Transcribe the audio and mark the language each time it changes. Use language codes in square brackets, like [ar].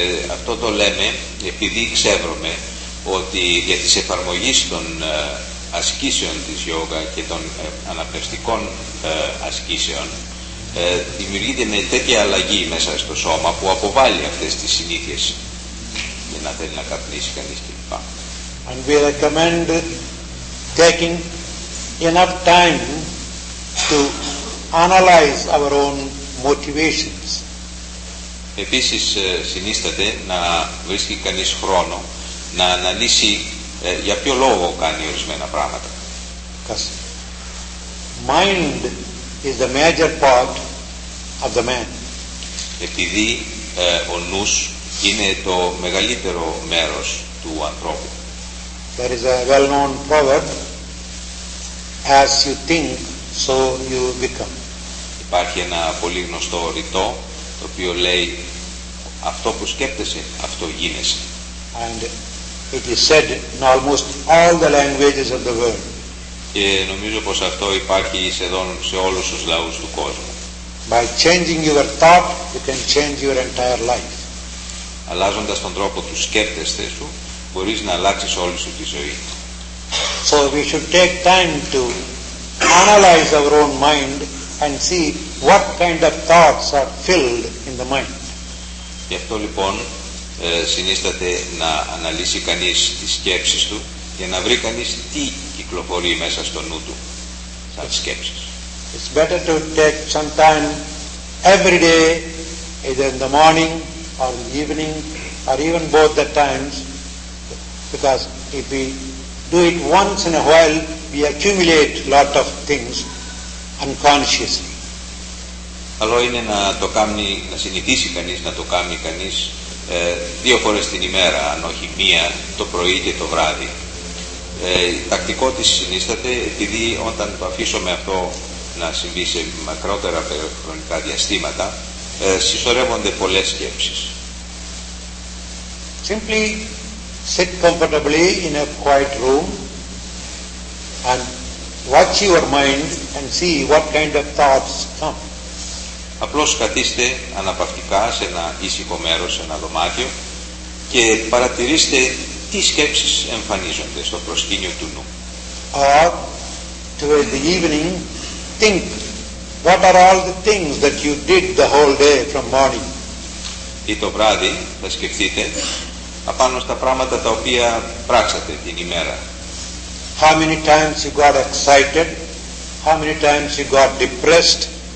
[el] Αυτό το λέμε επειδή ξέρουμε ότι για τις εφαρμογές των ασκήσεων της γιόγκα και των αναπνευστικών ασκήσεων δημιουργείται με τέτοια αλλαγή μέσα στο σώμα που αποβάλλει αυτές τις συνήθειες για να θέλει να καπνίσει κανείς κλπ. [en] And we recommend taking enough time to analyze our own motivations. [el] Επίσης συνίσταται να βρίσκει κανείς χρόνο να αναλύσει για ποιο λόγο κάνει ορισμένα πράγματα. [en] Because mind is the major part of the man. [el] επειδή ο νους είναι το μεγαλύτερο μέρος του ανθρώπου. [en] There is a well-known proverb: as you think, so you become. [el] Υπάρχει ένα πολύ γνωστό ρητό το οποίο λέει: αυτό που σκέπτεσαι, αυτό γίνεσαι. [en] And it is said in almost all the languages of the world. [el] Και νομίζω πως αυτό υπάρχει σχεδόν σε όλους τους λαούς του κόσμου. [en] By changing your thought, you can change your entire life. [el] Αλλάζοντας τον τρόπο του σκέπτεστε σου, μπορείς να αλλάξεις όλη σου τη ζωή. [en] So we should take time to analyze our own mind and see what kind of thoughts are filled in the mind. [el] Γι' αυτό λοιπόν συνίσταται να αναλύσει κανείς τις σκέψεις του για να βρει κανείς τι κυκλοφορεί μέσα στο νου του σαν σκέψεις. [en] It's better to take some time every day, either in the morning or in the evening or even both the times, because if we do it once in a while, we accumulate lot of things unconsciously. [el] Καλό είναι να το κάνει, να συνηθίσει κανείς να το κάνει κανείς δύο φορές την ημέρα, αν όχι μία, το πρωί και το βράδυ. Τακτικό της συνίσταται, επειδή όταν το αφήσουμε αυτό να συμβεί σε μακρότερα χρονικά διαστήματα, συσσωρεύονται πολλές σκέψεις. [en] Simply sit comfortably in a quiet room and watch your mind and see what kind of thoughts come. [el] Απλώς καθίστε αναπαυτικά σε ένα ήσυχο μέρος, σε ένα δωμάτιο και παρατηρήστε τι σκέψεις εμφανίζονται στο προσκήνιο του νου. [en] Or, towards the evening, think what are all the things that you did the whole day from morning. [el] Ή το βράδυ θα σκεφτείτε απάνω στα πράγματα τα οποία πράξατε την ημέρα. [en] How many times you got excited, how many times you got depressed.